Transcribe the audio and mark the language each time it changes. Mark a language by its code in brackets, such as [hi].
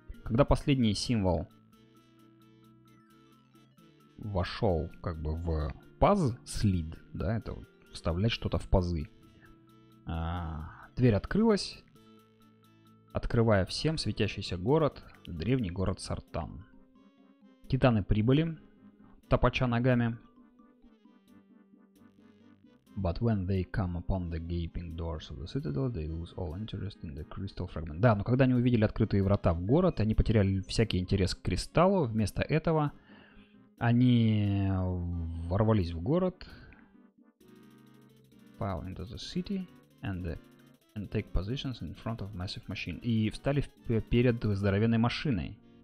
[ru] Когда последний символ вошел как бы в паз, слид, да, это вот, вставлять что-то в пазы, дверь открылась, открывая всем светящийся город, древний город Сартан. Титаны прибыли, топоча ногами. [en] But when they come upon the gaping doors of the citadel, they lose all interest in the crystal fragment. [ru] Да, но когда они увидели открытые врата в город, они потеряли всякий интерес к кристаллу. Вместо этого они ворвались в город. [en] Fall into the city and the and take positions in front of massive machine. [ru] И встали перед здоровенной машиной.